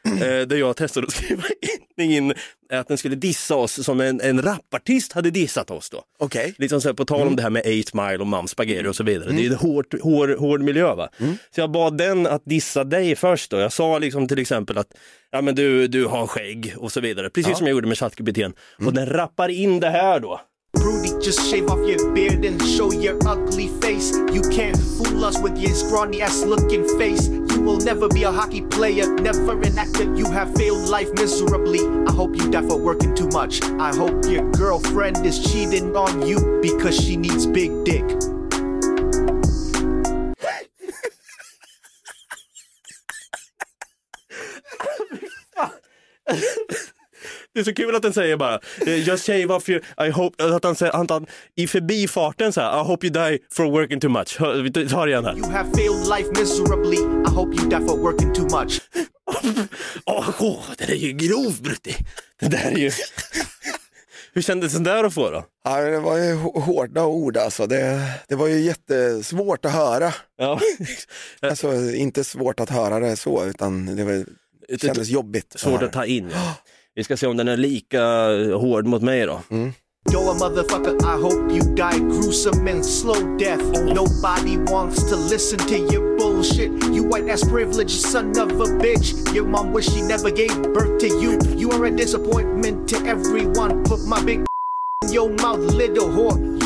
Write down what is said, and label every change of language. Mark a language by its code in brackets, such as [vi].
[sv] Där jag testade att skriva in att den skulle dissa oss som en rappartist hade dissat oss då. Okay. Liksom så här, på tal om det här med 8 Mile och Mums Spaghetti och så vidare. Mm. Det är ju hård miljö va? Mm. Så jag bad den att dissa dig först då. Jag sa liksom till exempel att ja, men du har skägg och så vidare. Precis ja. Som jag gjorde med ChatGPT:n. Mm. Och den rappar in det här då. [en] Brody, just shave off your beard and show your ugly face. You can't fool us with your scrawny ass looking face. You will never be a hockey player, never an actor. You have failed life miserably. I hope you die for working too much. I hope your girlfriend is cheating on you because she needs big dick. [sv] Det är så kul att den säger bara [en] just shave off your, I hope, [sv] att han säger att han, i förbifarten så här, [en] I hope you die for working too much. [sv] Vi tar det igen här. [en] You have failed life miserably, I hope you die for working too much. [sv] Det är ju grov, Brutti. Det där är ju hur kändes den där att få då? Ja, det var ju hårda ord alltså. Det var ju jättesvårt att höra. Ja. Alltså inte svårt att höra det så, utan det var kändes jobbigt. Svårt att ta in. Ja. Vi ska se om den är lika hård mot mig då. [en] Mm. Yo, a motherfucker, I hope you die gruesome and slow death. Nobody wants to listen to your bullshit. You white ass privileged son of a bitch. Your mom wish she never gave birth to you. You are a disappointment to everyone. Put my big in your mouth, little whore.